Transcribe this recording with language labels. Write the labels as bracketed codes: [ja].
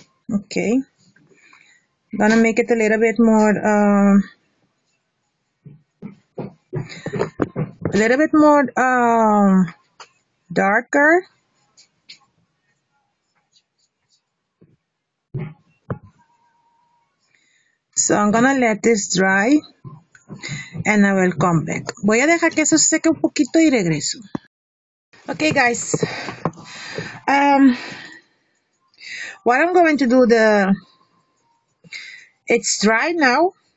[en] Okay, I'm gonna make it a little bit more darker. So I'm gonna let this dry and I will come back. [es] Voy a dejar que eso seque un poquito y regreso. [en] Okay, guys. What I'm going to do, it's dry now.